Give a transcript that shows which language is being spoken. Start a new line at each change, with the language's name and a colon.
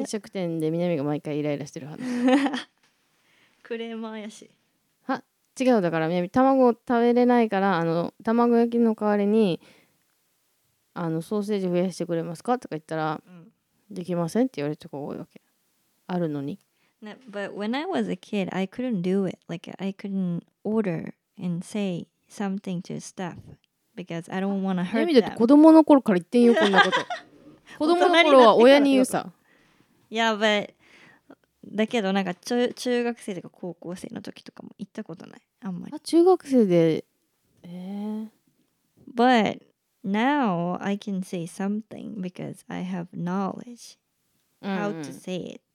Japanese: 飲食店で南が毎回イライラしてる話クレーマーやし。は、違う、だから南卵食べれないから、あの卵焼きの代わりにあのソーセージ増やしてくれますかとか言ったら、うん、できませんって言われるとこ多いわけ、あるのに。
English: But when I was a kid, I couldn't do it. Like, I couldn't order and say something to staff because I don't want to hurt them.
Japanese: 子供の頃から言ってんよ、こんなこと。子供の頃は親に言うさ。
English: Yeah, but...
Japanese: だけど、なんか中学生とか高校生の時とかも言ったことない。あんまり。あ、中学生で。
English: But now I can say something because I have knowledge how to say it.